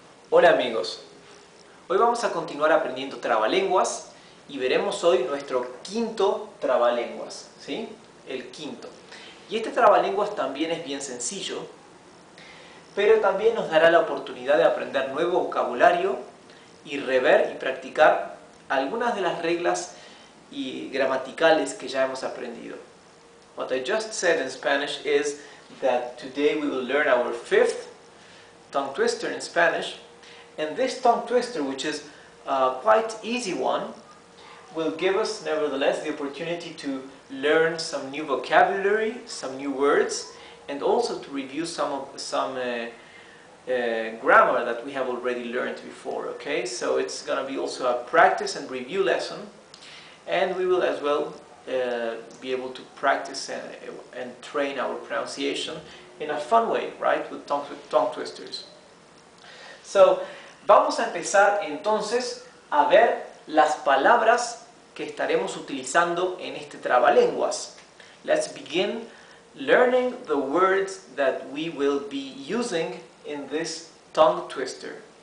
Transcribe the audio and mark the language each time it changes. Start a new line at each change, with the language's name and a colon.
Spanish: Hola amigos, hoy vamos a continuar aprendiendo trabalenguas y veremos hoy nuestro quinto trabalenguas, ¿sí? El quinto. Y este trabalenguas también es bien sencillo, pero también nos dará la oportunidad de aprender nuevo vocabulario y rever y practicar algunas de las reglas y gramaticales que ya hemos aprendido.
English: What I just said in Spanish is that today we will learn our fifth tongue twister in Spanish. And this tongue twister, which is a quite easy one, will give us, nevertheless, the opportunity to learn some new vocabulary, some new words, and also to review some grammar that we have already learned before, okay? So it's going to be also a practice and review lesson, and we will as well be able to practice and train our pronunciation in a fun way, right, with tongue twisters.
Spanish: So, vamos a empezar entonces a ver las palabras que estaremos utilizando en este trabalenguas.
English: Let's begin learning the words that we will be using in this tongue twister.